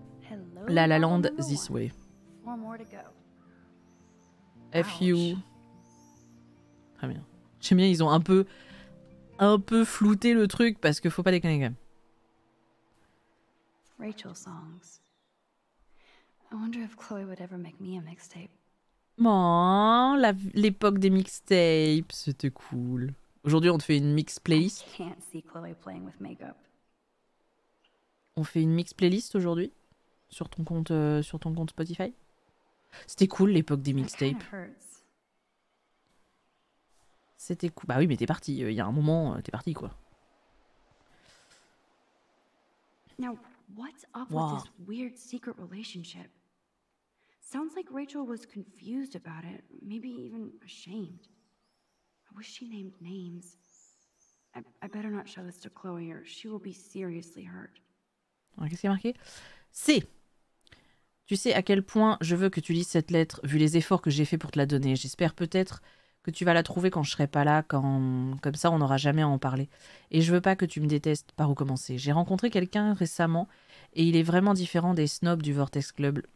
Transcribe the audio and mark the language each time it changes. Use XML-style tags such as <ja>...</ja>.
<en>Hello, La La Land, this way. Four more to go.</en> <fr>F.U. Très bien. J'aime bien, ils ont un peu flouté le truc parce que faut pas déconner quand même.</fr> <en>Rachel songs. I wonder if Chloe would ever make me a mixtape.</en> <fr>Bon, l'époque des mixtapes, c'était cool. Aujourd'hui, on te fait une mix playlist.</fr> <en>I can't see Chloe playing with makeup.</en> <fr>On fait une mix playlist aujourd'hui sur ton compte Spotify. C'était cool l'époque des mixtapes. C'était cool. Bah oui, mais t'es parti. Il y a un moment, t'es parti, quoi.</fr> <en>Now, what's up with this weird secret relationship? Sounds like Rachel was confused about it, maybe even ashamed. I wish she named names. I better not show this to Chloe or she will be seriously hurt.</en> <fr>Alors, qu'est-ce qui a marqué? C'est... Tu sais à quel point je veux que tu lises cette lettre, vu les efforts que j'ai fait pour te la donner. J'espère peut-être... que tu vas la trouver quand je serai pas là, quand... comme ça on n'aura jamais à en parler. Et je veux pas que tu me détestes, par où commencer. J'ai rencontré quelqu'un récemment, et il est vraiment différent des snobs du Vortex Club.</fr>